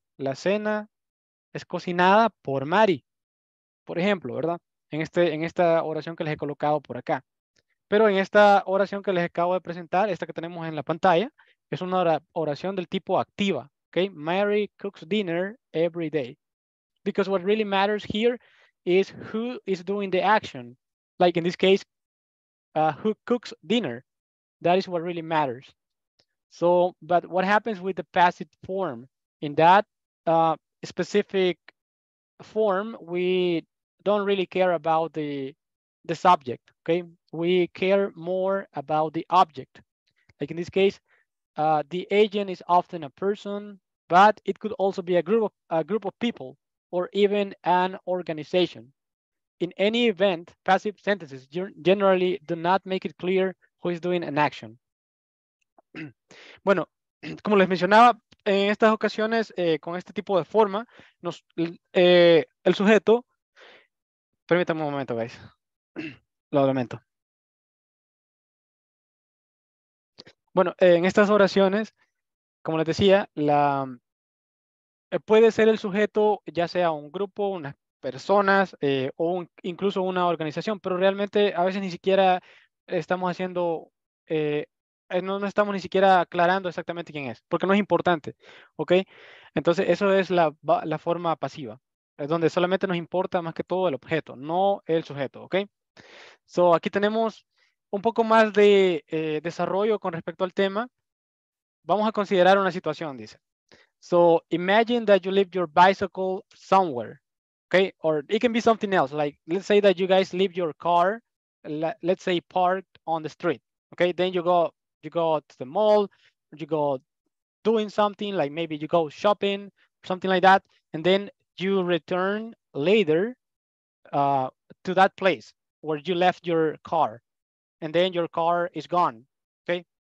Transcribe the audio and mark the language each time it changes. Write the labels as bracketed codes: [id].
[es] La cena es cocinada por Mari, por ejemplo, ¿verdad? En esta oración que les he colocado por acá. Pero en esta oración que les acabo de presentar, esta que tenemos en la pantalla, es una oración del tipo activa, ¿ok? [en] Mary cooks dinner every day. Because what really matters here is who is doing the action. Like in this case, who cooks dinner. That is what really matters. So, but what happens with the passive form? In that specific form, we don't really care about the subject, okay? We care more about the object. Like in this case, the agent is often a person, but it could also be a group of people or even an organization. In any event, passive sentences generally do not make it clear who is doing an action. [es] Bueno, como les mencionaba, en estas ocasiones, con este tipo de forma, el sujeto... Permítanme un momento, guys. Lo lamento. Bueno, en estas oraciones, como les decía, puede ser el sujeto ya sea un grupo, unas personas, incluso una organización, pero realmente a veces ni siquiera estamos haciendo, no estamos ni siquiera aclarando exactamente quién es, porque no es importante, ¿ok? Entonces, eso es la forma pasiva, donde solamente nos importa más que todo el objeto, no el sujeto, ¿ok? So, aquí tenemos un poco más de desarrollo con respecto al tema. Vamos a considerar una situación, dice. [en] So, imagine that you leave your bicycle somewhere, ¿ok? Or it can be something else, like, let's say that you guys leave your car, let's say parked on the street, okay? Then you go to the mall, you go doing something, like maybe you go shopping, something like that, and then you return later to that place where you left your car, and then your car is gone, okay?